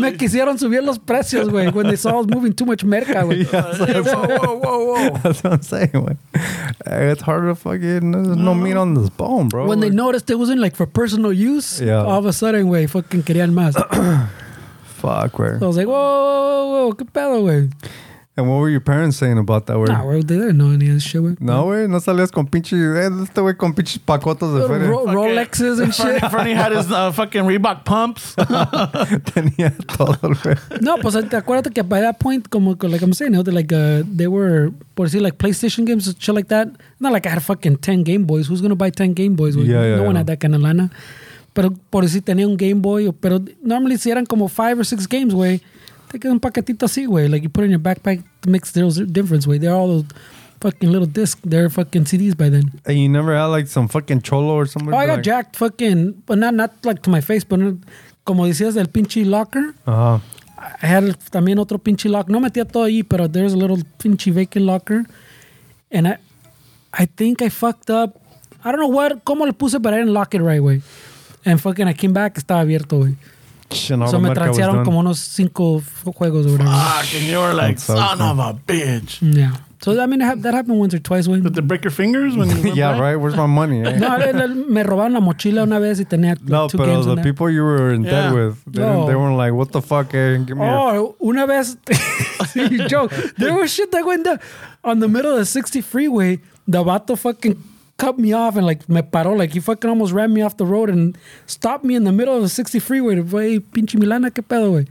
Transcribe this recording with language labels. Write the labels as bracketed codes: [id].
[es] Me quisieron subir los precios, güey, [en] when they saw I was moving too much merca, güey. Whoa. That's what I'm saying, güey. Hey, it's hard to fucking, there's no meat on this bone, bro. When they noticed it wasn't like for personal use, yeah. All of a sudden, güey, fucking [es] querían más. [en] Fuck, where? So I was like, whoa, [es] qué pedo, güey. [en] And what were your parents saying about that, where? Nah, where they didn't know any of this shit, güey. [es] No, güey, no salías con pinche, este güey con pinches pacotas de feria. [en] Rolexes and shit. Fernie had his fucking Reebok pumps. [es] Tenía todo, güey. No, pues te acuerdas que [en] by that point, like I'm saying, you know, like, they were, [es] por decir, [en] like PlayStation games and shit like that. Not like I had fucking 10 Game Boys. Who's going to buy 10 Game Boys? Yeah, yeah. No one had that kind of lana. [es] Pero por si tenía un Game Boy, pero normally si eran como 5 [en] or 6 games, [es] güey, te quedas un paquetito así, güey. [en] Like you put in your backpack, makes the difference, güey. They're all fucking little discs. They're fucking CDs by then. And you never had like some fucking cholo or something? Oh, I got like jacked fucking, but not like to my face, but [es] como decías del pinche locker. Uh-huh. [en] I had también otro pinche locker. [es] No metía todo ahí, [en] pero there's a little pinche vacant locker. And I think I fucked up. I don't know what, [es] como le puse, [en] but I didn't lock it right, güey. And fucking, I came back, [es] estaba abierto, güey. [en] So [es] me transearon como unos 5 juegos [en] or whatever. Fuck, and you were like, son of a bitch. Yeah. So, I mean, that happened once or twice, güey. Did they break your fingers when you yeah, back? Right? Where's my money? [es] No, me robaron la mochila una vez y tenía 2 games. [en] No, pero the people you were in debt with, they weren't like, what the fuck, eh? Give me [es] una vez, [en] you joke. There was shit that went on the middle of the 60 freeway, the vato fucking cut me off and like [es] me paró, [en] like he fucking almost ran me off the road and stopped me in the middle of the 60 freeway to play pinche Milana, [es] que pedo, wey.